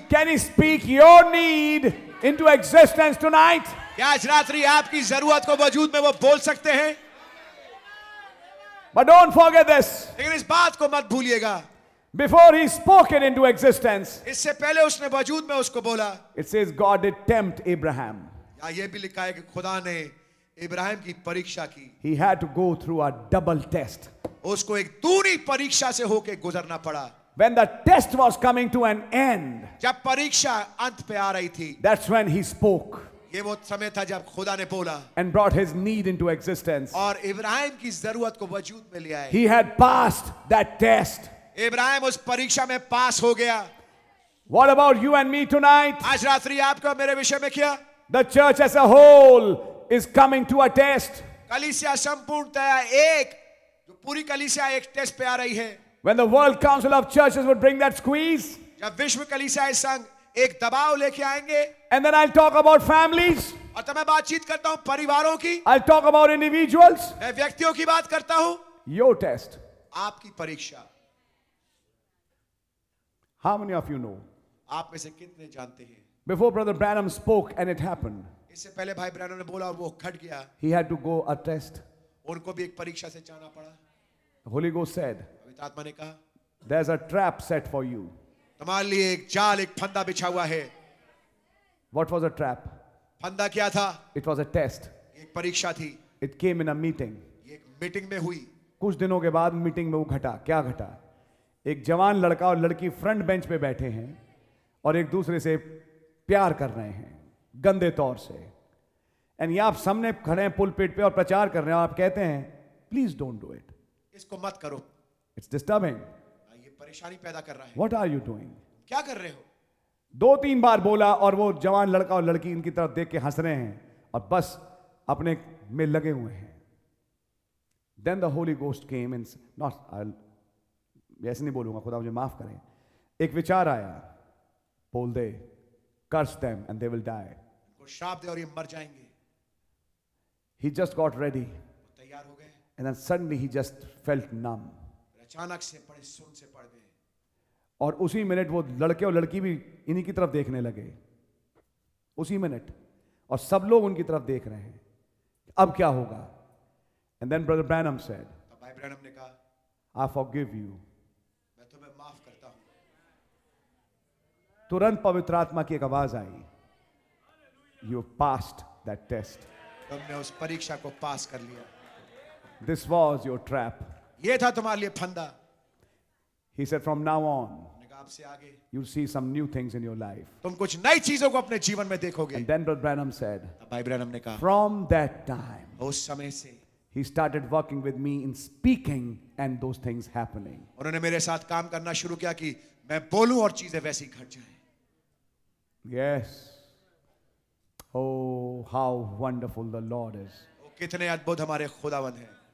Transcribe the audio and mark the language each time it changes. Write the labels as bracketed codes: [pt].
[en] Can he speak your need into existence tonight? [hi] क्या आज रात्रि आपकी जरूरत को वजूद में वो बोल सकते हैं? [en] But don't forget this. [hi] लेकिन इस बात को मत भूलिएगा. [en] Before he spoke it into existence, [hi] इससे पहले उसने वजूद में उसको बोला. [en] It says God did tempt Abraham. [hi] या ये भी लिखा है कि खुदा ने इब्राहिम की परीक्षा की. [en] He had to go through a double test. [hi] उसको एक दूरी परीक्षा से होके गुजरना पड़ा. [en] When the test was coming to an end, [hi] जब परीक्षा अंत पे आ रही थी, [en] that's when he spoke. [hi] ये वो समय था जब खुदा ने बोला. [en] And brought his need into existence. [hi] और इब्राहिम की जरूरत को वजूद में ले आए. [en] He had passed that test. [hi] Ibrahim उस परीक्षा में पास हो गया. [en] What about you and me tonight? [hi] आज रात्रि आपको मेरे विषय में क्या? [en] The church as a whole is coming to a test. [hi] कलीसिया संपूर्णतया एक जो पूरी कलीसिया एक टेस्ट पे आ रही है. [en] When the World Council of Churches would bring that squeeze, [hi] जब विश्व कलीसियाई संघ एक दबाव लेके आएंगे, [en] and then I'll talk about families, [hi] और तब मैं बातचीत करता हूँ परिवारों की, [en] I'll talk about individuals, [hi] मैं व्यक्तियों की बात करता हूँ, [en] your test, [hi] आपकी परीक्षा. [en] How many of you know? [hi] आप में से कितने जानते हैं? [en] Before Brother Branham spoke and it happened, [hi] इससे पहले भाई ब्रैनम ने बोला और वो घट गया, [en] he had to go a test, [hi] उनको भी एक परीक्षा से जाना पड़ा. [en] Holy Ghost said, [hi] आत्मा ने कहा, [en] there's a trap set for you. [hi] तुम्हारे लिए एक जाल, एक फंदा बिछा हुआ है. [en] What was a trap? [hi] फंदा क्या था? [en] It was a test. [hi] एक परीक्षा थी. [en] It came in a meeting. [hi] एक मीटिंग में हुई. कुछ दिनों के बाद मीटिंग में वो घटा. क्या घटा? एक जवान लड़का और लड़की फ्रंट बेंच पे बैठे हैं और एक दूसरे से प्यार कर रहे हैं गंदे तौर से. एंड ये आप सामने खड़े हैं पुलपिट पे और प्रचार कर रहे हैं, आप कहते हैं [en] please don't do it, [hi] इसको मत करो. [en] It's disturbing. [hi] ये परेशानी पैदा कर रहा है. [en] What are you doing? [hi] क्या कर रहे हो? दो तीन बार बोला और वो जवान लड़का और लड़की इनकी तरफ देख के हंस रहे हैं और बस अपने में लगे हुए हैं. [en] Then the Holy Ghost came and not [hi] ऐसे नहीं बोलूंगा, खुदा मुझे माफ करें. एक विचार आया, बोल दे, [en] curse them and they will die. [hi] वो शाप दे और ये मर जाएंगे. [en] He just got ready. [hi] तैयार हो गए. [en] And then suddenly he just felt numb. [hi] अचानक से पड़े सुन से पड़ गए. और उसी मिनट वो लड़के और लड़की भी इन्हीं की तरफ देखने लगे, उसी मिनट. और सब लोग उनकी तरफ देख रहे हैं, अब क्या होगा? [en] and then brother Branham said, [hi] भाई ब्रैनम ने कहा, [en] I forgive you, [hi] मैं तुम्हें माफ करता हूं. तुरंत पवित्र आत्मा की एक आवाज आई, [en] you passed that test, [hi] तुमने उस परीक्षा को पास कर लिया. [en] this was your trap, [hi] ये था तुम्हारे लिए फंदा. [en] He said, from now on, you'll see some new things in your life. [hi] तुम कुछ नई चीजों को अपने जीवन में देखोगे. [en] And then Brother Branham said, [hi] भाई ब्रैनम ने कहा, [en] from that time, [hi] उस समय से, [en] he started working with me in speaking and those things happening. [hi] उन्होंने मेरे साथ काम करना शुरू किया कि मैं बोलूं और चीजें वैसी घट जाएं. [en] Yes. Oh, how wonderful the Lord is. [hi] कितने अद्भुत हमारे खुदावंद हैं.